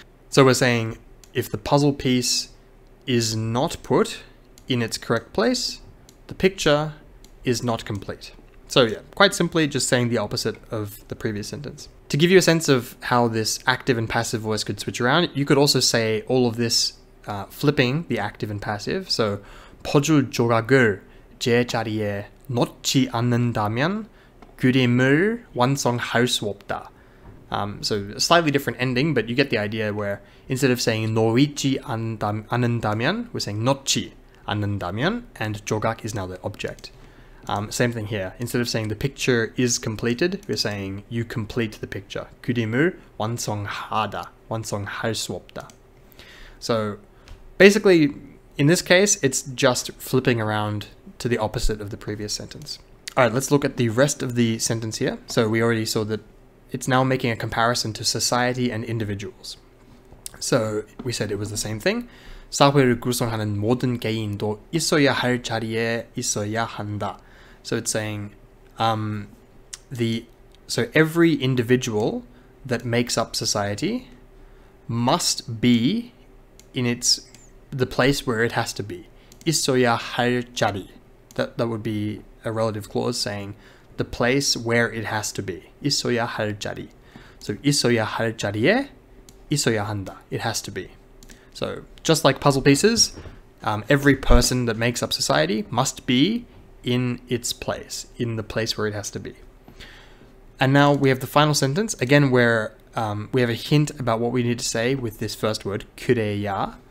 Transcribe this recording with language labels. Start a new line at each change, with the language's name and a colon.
English: So we're saying if the puzzle piece is not put in its correct place, the picture is not complete. So yeah, quite simply just saying the opposite of the previous sentence. To give you a sense of how this active and passive voice could switch around, you could also say all of this flipping the active and passive.
Korean: So 퍼즐 조각을 제 자리에 놓지 않는다면 그림을 완성할 수 없다.
English: So a slightly different ending, but you get the idea, where instead of saying
Korean: 놓이지 않는다면,
English: we're saying
Korean: 놓지 않는다면,
English: and 조각 is now the object. Same thing here. Instead of saying the picture is completed, we're saying you complete the picture.
Korean: 그림을 완성하다, 완성할 수 없다.
English: So basically, in this case, it's just flipping around to the opposite of the previous sentence. All right, let's look at the rest of the sentence here. So we already saw that it's now making a comparison to society and individuals. So we said it was the same thing.
Korean: 사회를 구성하는 모든 개인도 있어야 할 자리에 있어야 한다.
English: So it's saying so every individual that makes up society must be in the place where it has to be.
Korean: 있어야 할 자리.
English: That would be a relative clause saying the place where it has to be.
Korean: 있어야 할 자리. So 있어야 할 자리에 있어야 한다.
English: It has to be. So just like puzzle pieces, every person that makes up society must be in its place, in the place where it has to be. And now we have the final sentence. Again, we're we have a hint about what we need to say with this first word, 그래야.